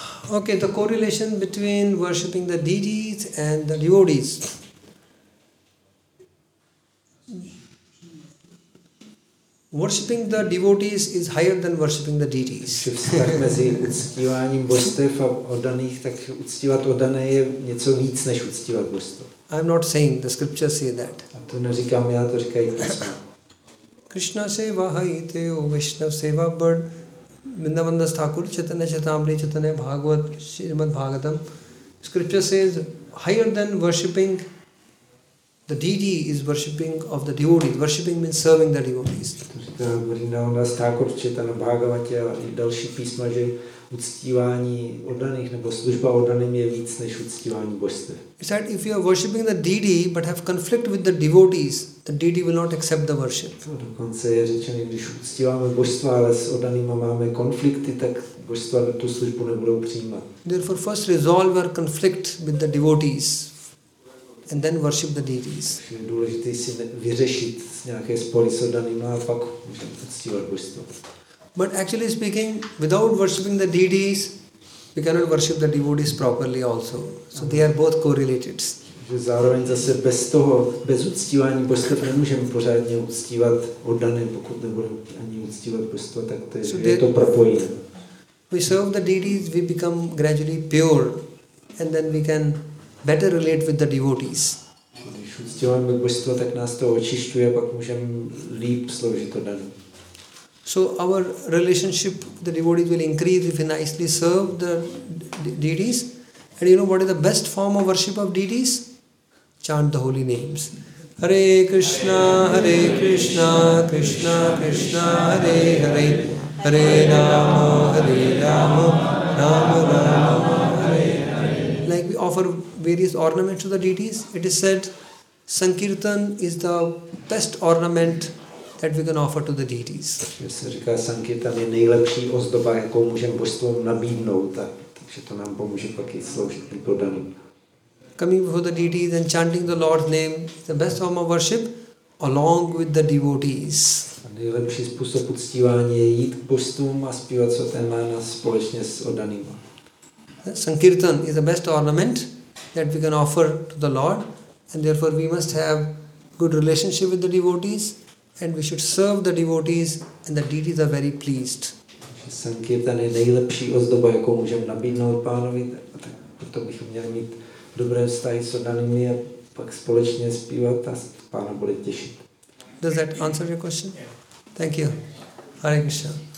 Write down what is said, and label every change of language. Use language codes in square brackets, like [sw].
[en] Okay, the correlation between worshiping the deities and the devotees. Worshipping the devotees is higher than worshipping the deities. [cs] Vztah mezi uctíváním božstev a oddaných, tak uctívat oddané je něco víc než uctívat božstvo. [en] I'm not saying, the scriptures say that. [cs] To neříkám já, to říkají Krishna seva hai te o Vishnu seva bird Vrindavan das Thakur chatana chatamri chatana bhagavat shrimad bhagatam [en] scripture says higher than worshipping the deity is worshipping of the devotees. Worshipping means serving the devotees. [cs] Vrindavana Thakur Chaitanya Bhagavate a další písma, že uctívání oddaných nebo služba oddaným je víc než uctívání božstev. [en] It's that if you are worshipping the deity but have conflict with the devotees, the deity will not accept the worship. [cs] Dokonce je řečeno, když uctíváme božstva, ale s oddanými máme konflikty, tak božstva tu službu nebudou přijímat. [en] Therefore, first resolve our conflict with the devotees and then worship the deities. [cs] Je důležité si vyřešit nějaké spory s oddanými a pak uctívat božstvo. [en] But actually speaking, without worshipping the deities, we cannot worship the devotees properly also. So they are both correlated. [cs] Že zároveň zase bez toho, bez uctívání božstva nemůžeme pořádně uctívat oddané, pokud nebudeme ani uctívat božstva, tak to je, je to propojené. [en] We serve the deities, we become gradually pure, and then we can better relate with the devotees. [cs] Když uctíváme božstva, tak nás to očišťuje, pak můžeme líp sloužit oddaným. [en] So our relationship with the devotees will increase if we nicely serve the deities. And you know what is the best form of worship of deities? Chant the holy names. Hare Krishna, Krishna Krishna, Hare Hare. Hare Rama, Hare Rama, Rama Rama, Hare Hare. Like we offer various ornaments to the deities, it is said Sankirtan is the best ornament that we can offer to the deities. [cs] Se říká, sankirtan je nejlepší ozdoba, jakou můžeme božstvům nabídnout, takže to nám pomůže pak i sloužit i podaným. [en] Coming before the deities and chanting the Lord's name is the best form of worship along with the devotees. [cs] A nejlepší způsob uctívání je jít k božstvům a zpívat co ten jména společně s oddanými. [en] Sankirtan is the best ornament that we can offer to the Lord, and therefore we must have good relationship with the devotees. And we should serve the devotees, and the deities are very pleased. [cs] Sankirtan je nejlepší ozdoba, jakou můžeme nabídnout pánovi, tak proto bychom měli mít dobré vztahy s oddanými a pak společně zpívat a pána bude těšit. [en] Does that answer your question? Thank you. Hare Krishna.